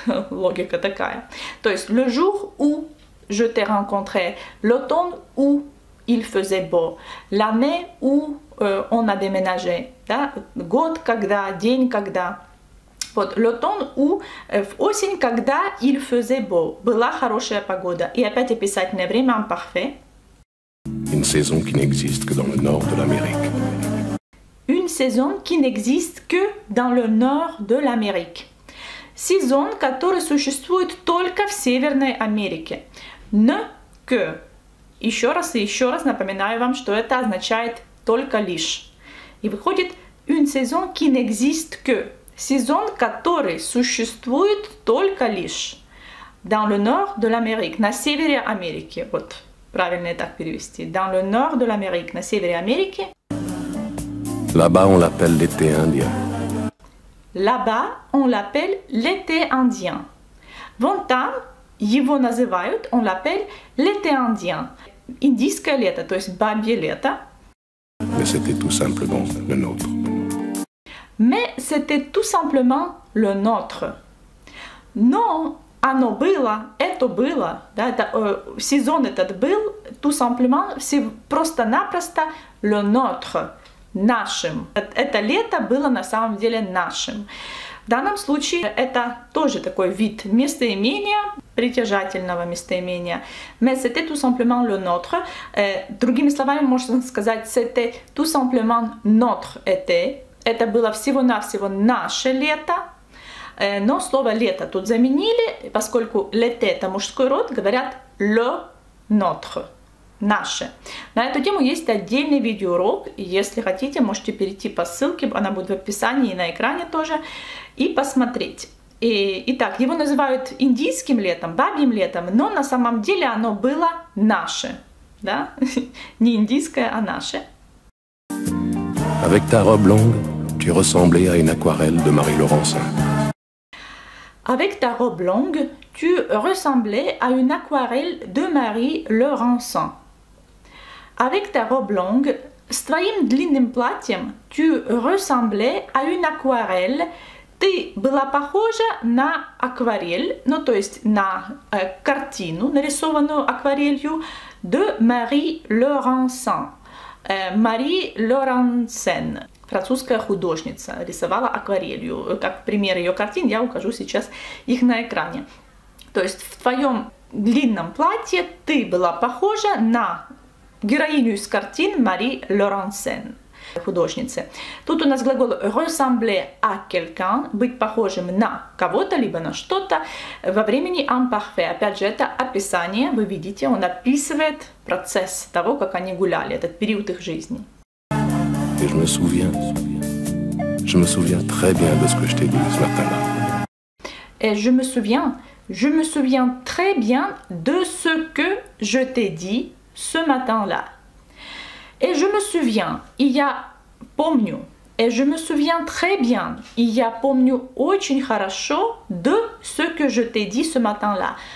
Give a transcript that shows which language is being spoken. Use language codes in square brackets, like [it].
[ru] Логика такая. То есть [fr] «le jour où je t'ai rencontré», «l'automne où». Il faisait beau. L'année où on a déménagé. [ru] Да? Год когда, день когда. [fr] Вот, l'automne où, [ru] в осень когда, [fr] il faisait beau. [ru] Была хорошая погода. И опять описательное время, un parfait. [fr] Une saison qui n'existe que dans le nord de l'Amérique. Une saison qui n'existe que dans le nord de l'Amérique. [ru] Сезон, который существует только в Северной Америке. Ne que. Еще раз и еще раз напоминаю вам, что это означает «только лишь». И выходит [fr] «une saison qui n'existe que». [ru] Сезон, который существует только лишь. [fr] «Dans le nord de l'Amérique». [ru] На севере Америки. Вот, правильно так перевести. [fr] «Dans le nord de l'Amérique». [ru] На севере Америки. [fr] Là-bas, on l'appelle l'été indien. Là-bas, on l'appelle l'été indien. [ru] Вон там его называют, [fr] on l'appelle l'été indien. [ru] Индийское лето, то есть бабье лето. [fr] Mais c'était tout simplement le nôtre. Mais c'était tout simplement le nôtre. [ru] Но оно было, это было, да, это, сезон этот был, [fr] tout simplement, c'est [ru] просто-напросто [fr] le notre, [ru] нашим. Это лето было на самом деле нашим. В данном случае это тоже такой вид местоимения, притяжательного местоимения. [fr] Mais c'était tout simplement le notre. [ru] Другими словами, можно сказать, [fr] c'était tout simplement notre été. [ru] Это было всего-навсего наше лето. Но слово «лето» тут заменили, поскольку «l'été» — это мужской род, говорят [fr] «le notre». [ru] Наше. На эту тему есть отдельный видеоурок. Если хотите, можете перейти по ссылке, она будет в описании и на экране тоже, и посмотреть. Итак, его называют индийским летом, бабьим летом, но на самом деле оно было наше. Да? Не индийское, а наше. [fr] Avec ta robe longue, tu ressemblais à une aquarelle de Marie Laurencin. Avec ta robe longue, tu ressemblais à une aquarelle de Marie Laurencin. Avec ta robe longue, [ru] с твоим длинным платьем, [fr] tu ressemblais à une aquarelle. [ru] Ты была похожа на акварель, ну то есть на картину, нарисованную акварелью, de Marie Laurencin. Marie Laurencin, французская художница, рисовала акварелью. Как пример ее картин, я укажу сейчас их на экране. То есть в твоем длинном платье ты была похожа на героиню из картин Marie Laurencin, художницы. Тут у нас глагол [fr] ressembler à quelqu'un, [ru] быть похожим на кого-то, либо на что-то, во времени imparfait. Опять же, это описание, вы видите, он описывает процесс того, как они гуляли, этот период их жизни. [fr] Et je me souviens très bien de ce que je t'ai dit ce matin-là. Et je me souviens très bien de ce que je t'ai dit ce matin-là. Et je me souviens, [ru] я помню. [fr] Et je me souviens très bien, [ru] я помню очень хорошо [fr] de ce que je t'ai dit ce matin-là.